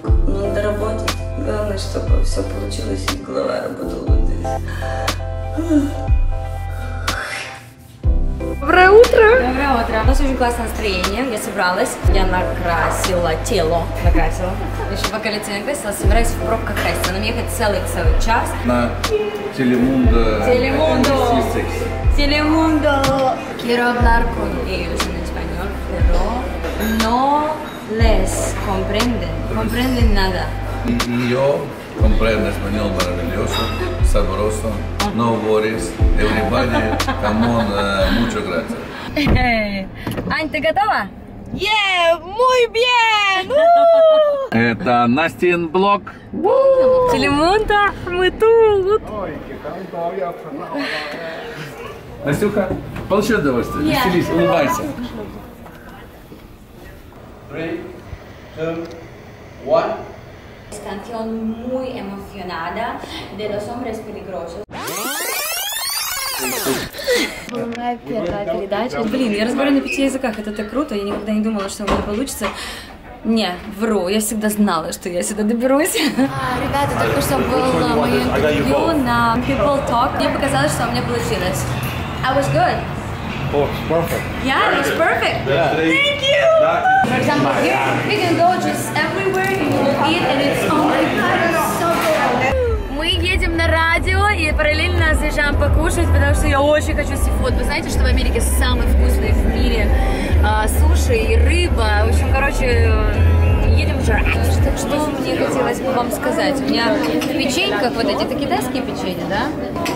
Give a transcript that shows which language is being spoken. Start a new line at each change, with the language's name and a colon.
Russian: Но надо работать, главное, чтобы все получилось, и голова работала вот здесь. Доброе утро! Доброе утро! У нас очень классное настроение, я собралась, я накрасила тело. Накрасила? Еще пока лицо не красила, собираюсь в пробках краситься, нам ехать целый час. На Телемундо. Телемундо! Телемундо!
Spanish: Quiero hablar con ellos en español, pero no les comprenden, comprenden nada. Yo comprendo español maravilloso, sabroso,
English: no worries, everybody, come on,
Spanish: muchas gracias.
Russian: Ань, ты готова?
Spanish: Yeah, muy bien!
Russian: Это Настин блог. Телемундо, мы тут! Настюха, получи удовольствие. Yeah. Веселись, улыбайся. 3, 2, 1.
Spanish: Es canción muy emocionada de los hombres peligrosos.
Russian: Была моя первая передача. Блин, я разговариваю на 5 языках, это так круто. Я никогда не думала, что у меня получится. Не, вру, я всегда знала, что я сюда доберусь. Ребята, только что было мое интервью на People Talk. Мне показалось, что у меня получилось.
English: I was good. Oh, it's perfect. Yeah, it was perfect. Yeah. Thank you! For example, here, we can go just everywhere and you will eat and it's oh my god, it's so good.
Russian: Мы едем на радио и параллельно заезжаем покушать, потому что я очень хочу сифуд. Вы знаете, что в Америке самый вкусный в мире суши и рыба. В общем, короче, едем жрать. Что мне хотелось бы вам сказать? У меня в печеньках, вот эти китайские печенья, да?